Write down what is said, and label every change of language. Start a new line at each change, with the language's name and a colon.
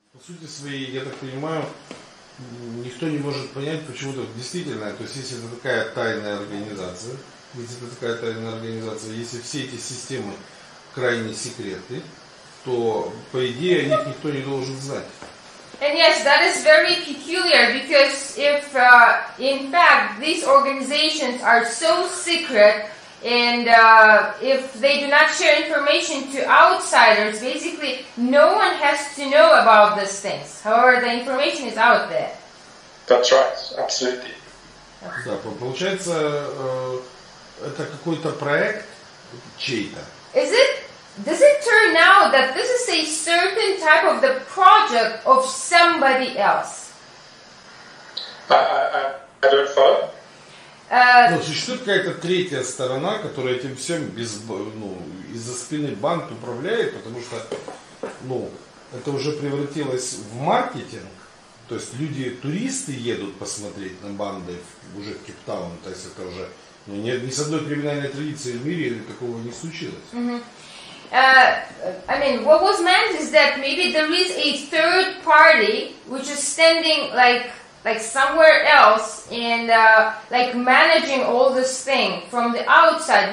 Russian: По сути своей, я так понимаю, никто не может понять, почему это действительно. То есть, если это такая тайная организация, если все эти системы крайне секреты, то, по идее, о них никто не должен знать.
English: And yes, that is very peculiar, because if, in fact, these organizations are so secret, and if they do not share information to outsiders, basically no one has to know about these things. However, the information is out there. That's right, absolutely. Okay.
Russian: Да, получается, это какой-то проект чей-то.
English: Is it? Does it turn out that this is a certain type of the project of somebody else? I don't follow.
Russian: Ну, существует какая-то третья сторона, которая этим всем без, ну, из-за спины банк управляет, потому что, ну, это уже превратилось в маркетинг. То есть люди, туристы едут посмотреть на банды уже в Кейптаун. То есть это уже, ну, ни с одной криминальной традицией в мире такого не случилось. Mm-hmm.
English: I mean, what was meant is that maybe there is a third party which is standing like somewhere else and like managing all this thing from the outside.